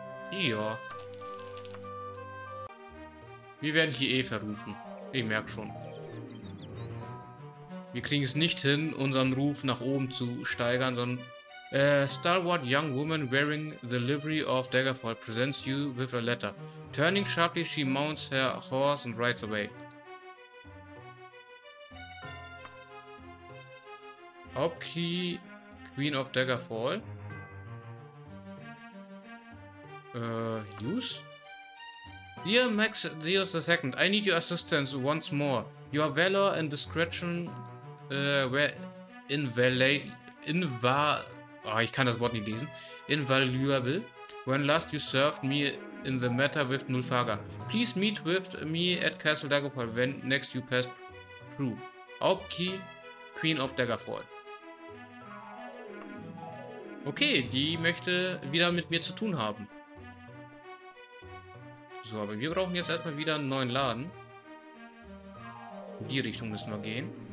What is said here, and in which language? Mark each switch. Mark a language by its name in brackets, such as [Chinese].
[German] Ja. Wir werden hier eh verrufen. Ich merke schon. Wir kriegen es nicht hin, unseren Ruf nach oben zu steigern, sondern... [English] Stalwart young woman wearing the livery of Daggerfall presents you with a letter. Turning sharply, she mounts her horse and rides away. Okay, Queen of Daggerfall. Use? Dear Max Deus II, I need your assistance once more. Your valor and discretion were invaluable when last you served me in the matter with Nulfaga. Please meet with me at Castle Daggerfall when next you pass through. Aupki, Queen of Daggerfall. [German] Okay, die möchte wieder mit mir zu tun haben. So, aber wir brauchen jetzt erstmal wieder einen neuen Laden. In die Richtung müssen wir gehen.